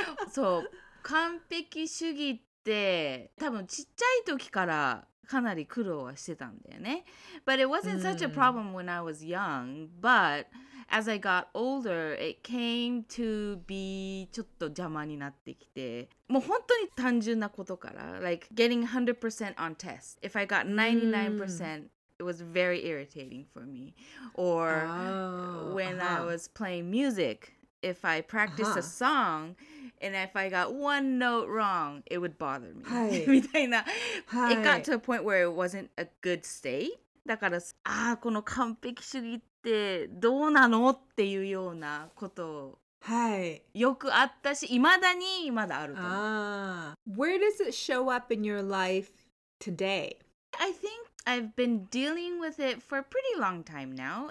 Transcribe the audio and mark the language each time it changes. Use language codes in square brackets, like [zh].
[ja] そう、完璧主義って、多分ちっちゃい時からかなり苦労はしてたんだよね。 [en] But it wasn't such a problem when I was young, but... As I got older, it came to be [ja] ちょっと邪魔になってきて、もう本当に単純なことから、 [en] like getting 100% on test. If I got 99%, it was very irritating for me. Or when I was playing music, if I practiced a song, and if I got one note wrong, it would bother me. [ja] みたいな。 [en] It got to a point where it wasn't a good state. [ja] だから、ああ、この完璧主義ってどうなのっていうようなことを、はい、よくあったし、未だにまだあると思う。あー。 [en] Where does it show up in your life today? I think I've been dealing with it for a pretty long time now.